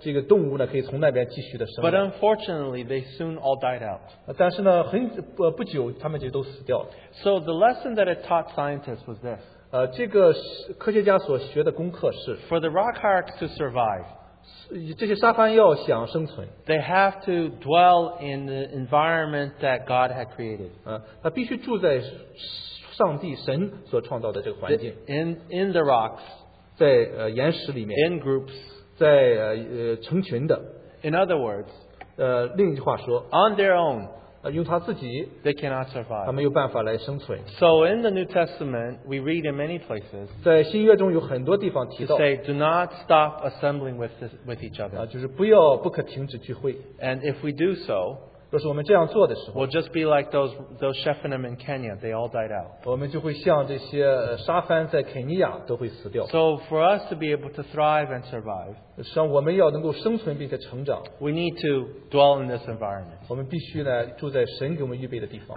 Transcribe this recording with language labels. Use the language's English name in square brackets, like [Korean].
[Chinese] 希望他们能够把这个绝种的这个动物呢可以从那边继续的生活。 [English] But unfortunately, they soon all died out. [Chinese] 但是呢，很不久他们就都死掉了。 [English] So the lesson that it taught scientists was this. [Chinese] 这个科学家所学的功课是 [English] For the rock hyrax to survive, [Chinese] 这些沙帆要想生存, [English] they have to dwell in the environment that God had created. [Chinese] 他必须住在上帝神所创造的这个环境。 [English] In the rocks, [Chinese] 在岩石里面, [English] in groups, [Chinese] 在成群的。 [English] In other words, [Chinese] 另一句话说, [English] on their own, [Chinese] 用他自己, [English] they cannot survive. [Chinese] 他没有办法来生存。 [English] So in the New Testament, we read in many places, [Chinese] 在新约中有很多地方提到, [English] to say, do not stop assembling with each other. [Chinese] 就是不要不可停止聚会。 [English] And if we do so, [Chinese] 若是我们这样做的时候, [English] we'll just be like those Shephanim in Kenya, they all died out. [Chinese] 我们就会像这些沙帆在肯尼亚都会死掉。 [English] So for us to be able to thrive and survive, [Chinese] 像我们要能够生存并且成长, [English] we need to dwell in this environment. [Chinese] 我们必须呢住在神给我们预备的地方。